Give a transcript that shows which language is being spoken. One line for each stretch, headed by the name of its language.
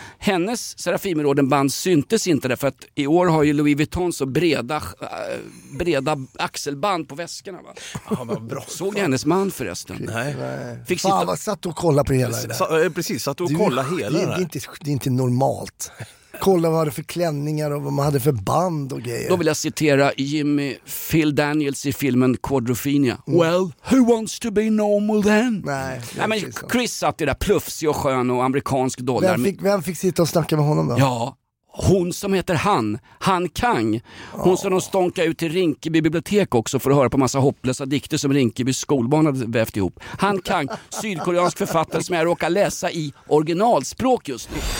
Swedish: Hennes Serafimerorden band syntes inte där, för att i år har ju Louis Vuitton så breda axelband på väskorna, va? Ja, men bra. Så hennes man förresten. Nej. Fick sitta... Fan, satt och kolla på hela det där. Precis, satt och kolla hela det där. Det är inte normalt. Kolla vad det för klänningar och vad man hade för band och grejer. Då vill jag citera Jimmy Phil Daniels i filmen Quadrophenia.
English: Well, who wants to be normal then?
Swedish: Nej men Chris satt i det där plufsig och skön och amerikansk dollar. Vem fick sitta och snacka med honom då? Ja. Hon som heter Han Kang. Hon som de stonkade ut till Rinkeby bibliotek också för att höra på massa hopplösa dikter som Rinkeby skolbarn hade vävt ihop. Han Kang, sydkoreansk författare som jag råkar läsa i originalspråk just nu.